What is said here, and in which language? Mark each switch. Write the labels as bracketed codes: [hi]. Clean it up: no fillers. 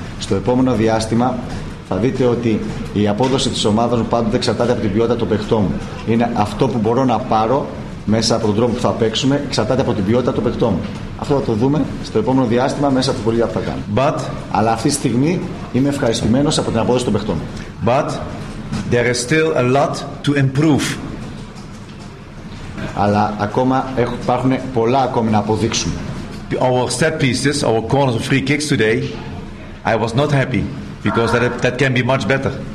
[el] Στο επόμενο διάστημα θα δείτε ότι η απόδοση της ομάδας μου πάντοτε εξαρτάται από την ποιότητα των παιχτών μου. Είναι αυτό που μπορώ να πάρω μέσα από τον τρόπο που θα παίξουμε, εξαρτάται από την ποιότητα των παιχτών μου. Αυτό θα το δούμε στο επόμενο διάστημα μέσα από πολλή που θα κάνω. [en] But, [el] αλλά αυτή τη στιγμή είμαι ευχαριστημένος από την απόδοση των παιχτών μου. [en] But there is still a lot to improve. [el] Αλλά ακόμα υπάρχουν πολλά ακόμη να αποδείξουμε. [en] Our set pieces, our corners of free kicks today, I was not happy because that can be much better.